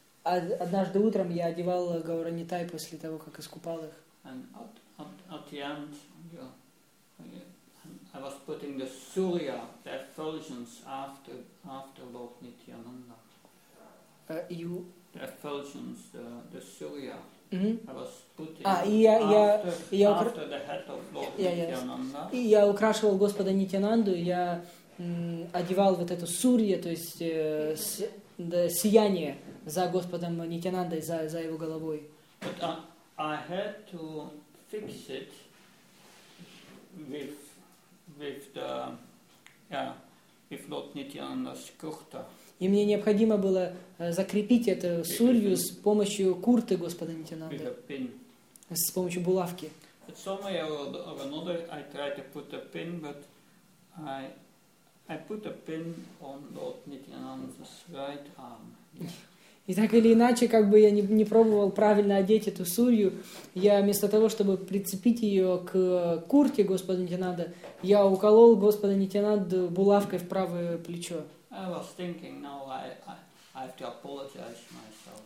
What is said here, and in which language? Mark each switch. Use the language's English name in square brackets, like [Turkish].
[Russian] Однажды утром я одевал Гауранитай после того, как искупал их. [English] And at the end, yeah, I was putting the Surya, the effulgence after Lord Nityananda. The effulgence, the Surya. Mm-hmm. I was putting after the head of Lord Nityananda. [Russian] Yes. И я украшивал Господа Нитянанду, я одевал вот эту сурья, то есть сияние за Господом Нитянандой, за его головой. [English] But I had to fix it with Lord Nityananda's kurta. [Russian] И мне необходимо было закрепить эту сурью с помощью курты Господа Нитянанды, с помощью булавки. [English] But somehow or another, I tried to put a pin, but I put a pin on Lord Nityananda's right arm. [Russian] И так или иначе, как бы я не пробовал правильно одеть эту сурью, я вместо того, чтобы прицепить ее к курте Господа Нитянанды, я уколол Господа Нитянанду булавкой в правое плечо. [English] I was thinking, now I have to apologize myself.